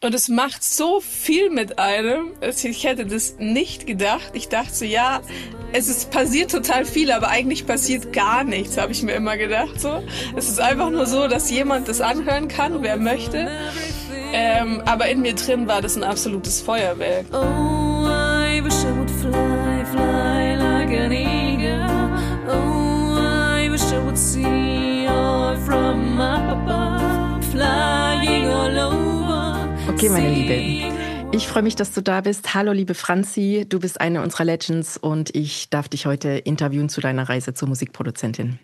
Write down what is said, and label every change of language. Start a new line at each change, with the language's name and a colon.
German: Und es macht so viel mit einem. Ich hätte das nicht gedacht. Ich dachte so, ja, es ist, passiert total viel, aber eigentlich passiert gar nichts, habe ich mir immer gedacht. So. Es ist einfach nur so, dass jemand das anhören kann, wer möchte. Aber in mir drin war das ein absolutes Feuerwerk.
English: Oh, I wish I would fly, fly like an eagle. Oh, I wish I would see all from above, flying all over.
German: Okay, meine Liebe. Ich freue mich, dass du da bist. Hallo, liebe Franzi. Du bist eine unserer
English: Legends
German: und ich darf dich heute interviewen zu deiner Reise zur Musikproduzentin.